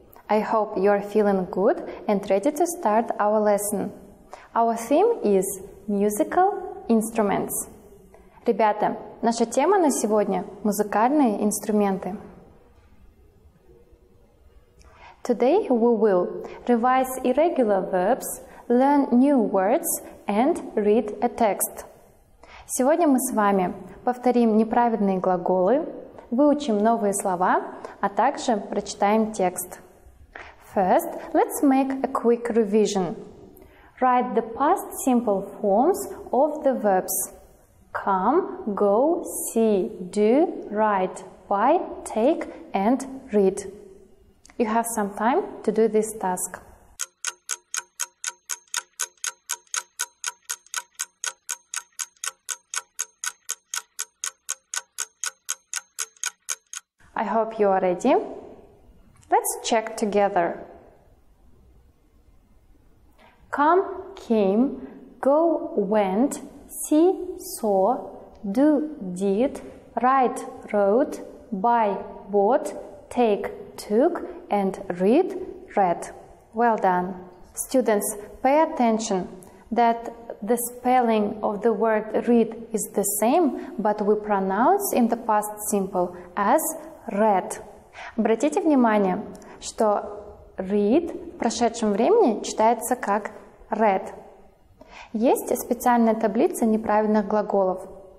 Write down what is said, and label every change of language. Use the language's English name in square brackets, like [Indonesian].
[English] I hope you are feeling good and ready to start our lesson. Our theme is musical instruments. [Russian] Ребята, наша тема на сегодня – музыкальные инструменты. [English] Today we will revise irregular verbs, learn new words and read a text. [Russian] Сегодня мы с вами повторим неправильные глаголы, выучим новые слова, а также прочитаем текст. [English] First, let's make a quick revision. Write the past simple forms of the verbs. Come, go, see, do, write, buy, take and read. You have some time to do this task. I hope you are ready. Let's check together. Come, came, go, went, see, saw, do, did, write, wrote, buy, bought, take, took, and read, read. Well done. Students, pay attention that the spelling of the word read is the same, but we pronounce in the past simple as read. [Russian] Обратите внимание, что read в прошедшем времени читается как read. Есть специальная таблица неправильных глаголов.